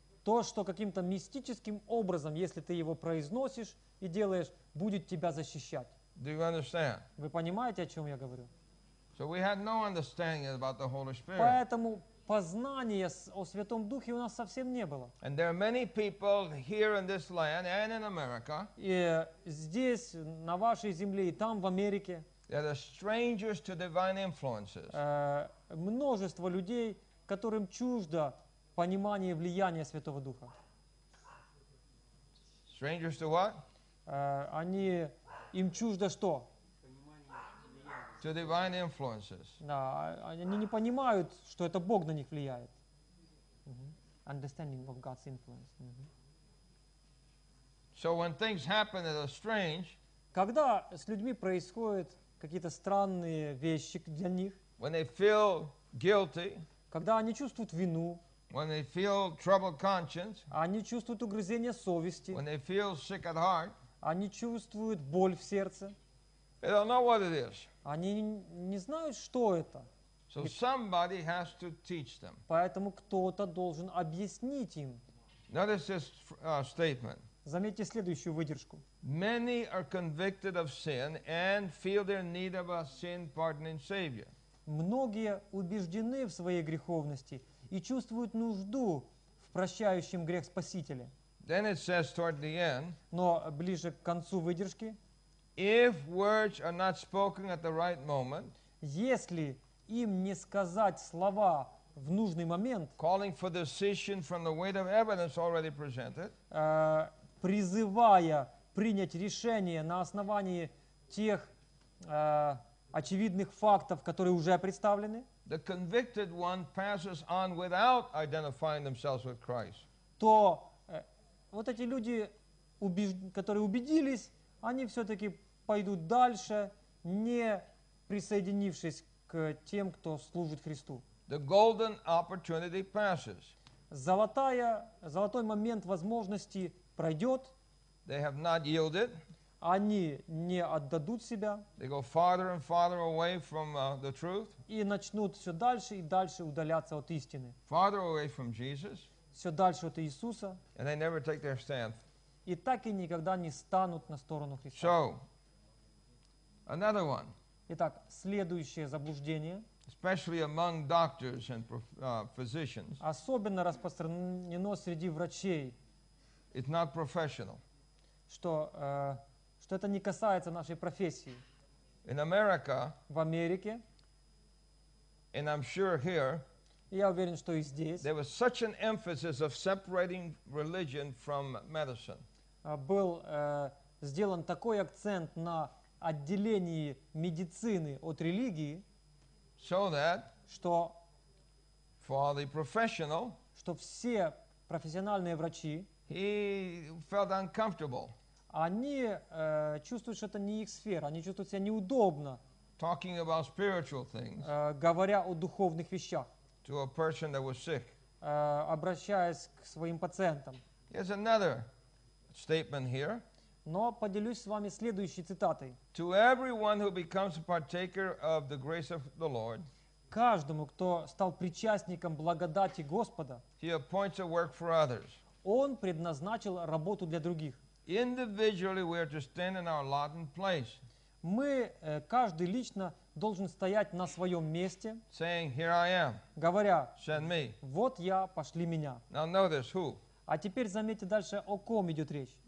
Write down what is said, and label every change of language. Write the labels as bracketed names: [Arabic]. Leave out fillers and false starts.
[Russian] То, что каким-то мистическим образом, если ты его произносишь и делаешь, будет тебя защищать. [English] Do you understand? [Russian] Вы понимаете, о чем я говорю? [English] So we had no understanding about the Holy Spirit. [Russian] Поэтому познания о Святом Духе у нас совсем не было. [English] And there are many people here in this land and in America. [Russian] И здесь, на вашей земле, и там, в Америке. [English] That are strangers to divine influences. [Russian] Множество людей, которым чуждо понимание влияния Святого Духа. [English] Strangers to what? [Russian] Они им чуждо что? [English] To divine influences. [Russian] Да, они не понимают, что это Бог на них влияет. [English] Mm-hmm. Understanding of God's influence. Mm-hmm. So when things happen that are strange. [Russian] Когда с людьми происходят какие-то странные вещи для них. [English] When they feel guilty. [Russian] Когда они чувствуют вину. [English] When they feel troubled conscience. [Russian] Они чувствуют угрызение совести. [English] When they feel sick at heart. [Russian] Они чувствуют боль в сердце. [English] They don't know what it is. [Russian] Они не знают, что это. [English] So somebody has to teach them. [Russian] Поэтому кто-то должен объяснить им. [English] Notice this statement. [Russian] Заметьте следующую выдержку. [English] Many are convicted of sin and feel their need of a sin-pardoning Savior. [Russian] Многие убеждены в своей греховности и чувствуют нужду в прощающем грех Спасителе. [English] Then it says toward the end. [Russian] Но ближе к концу выдержки. [English] If words are not spoken at the right moment. [Russian] Если им не сказать слова в нужный момент. [English] Calling for decision from the weight of evidence already presented. [Russian] Призывая принять решение на основании тех очевидных фактов, которые уже представлены. [English] The convicted one passes on without identifying themselves with Christ. [Russian] То вот эти люди, которые убедились, они все-таки пойдут дальше, не присоединившись к тем, кто служит Христу. [English] The golden opportunity passes. [Russian] Золотой момент возможности пройдет. [English] They have not yielded. [Russian] Они не отдадут себя. [English] They go farther and farther away from the truth. [Russian] И начнут все дальше и дальше удаляться от истины. [English] Farther away from Jesus. [Russian] Все дальше от Иисуса. [English] And they never take their stand. [Russian] И так и никогда не станут на сторону Христа. [English] So, another one. [Russian] Итак, следующее заблуждение. [English] Especially among doctors and physicians. [Russian] Особенно распространено среди врачей. [English] It's not professional. [Russian] Что это не касается нашей профессии. [English] In America. [Russian] В Америке. [English] And I'm sure here. [Russian] Я уверен, что и здесь. [English] There was such an emphasis of separating religion from medicine. [Russian] Был сделан такой акцент на отделении медицины от религии, [English] so that [Russian] что, [English] for the professional, [Russian] что все профессиональные врачи, [English] he felt uncomfortable. [Russian] Они чувствуют, что это не их сфера, они чувствуют себя неудобно, [English] talking about spiritual things, [Russian] говоря о духовных вещах, [English] to a person that was sick. [Russian] Обращаясь к своим пациентам. [English] Here's another statement here. [Russian] Но поделюсь с вами следующей цитатой. [English] To everyone who becomes a partaker of the grace of the Lord, [Russian] каждому, кто стал причастником благодати Господа, [English] he appoints a work for others. [Russian] Он предназначил работу для других. [English] Individually we are to stand in our lot and place. [Russian] Мы, каждый лично, должен стоять на своем месте, [English] saying, here I am. [Russian] Говоря, [English] send me. [Russian] Вот я, пошли меня. [English] Now notice who. [Russian] А теперь заметьте дальше, о ком идет речь.